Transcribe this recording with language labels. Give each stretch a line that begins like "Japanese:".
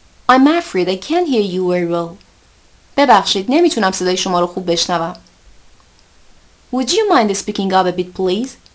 English: I'm afraid I can't hear you very well.
Persian: ببخشید نمیتونم صدای شما رو خوب بشنوم.
English: Would you mind speaking up a bit please?